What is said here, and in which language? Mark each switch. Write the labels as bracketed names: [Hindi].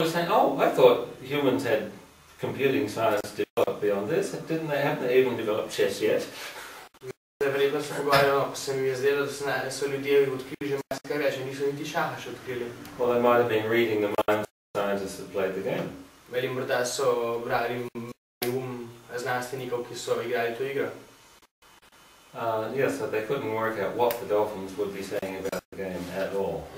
[English] Oh, I thought humans had computing science developed beyond this. Didn't they have even developed chess yet? [Slovenian] Verjetno se pogovarjajo, no, se mi je zdelo, da so ljudje odkrili že marsikaj več, in niso niti šaha še odkrili. [English] Well, they might have been reading the minds of scientists that played the game. [Slovenian] Veli, morda so brali um znanstvenikov, ki so igrali to igro. [English] So they couldn't work out what the dolphins would be saying about the game at all.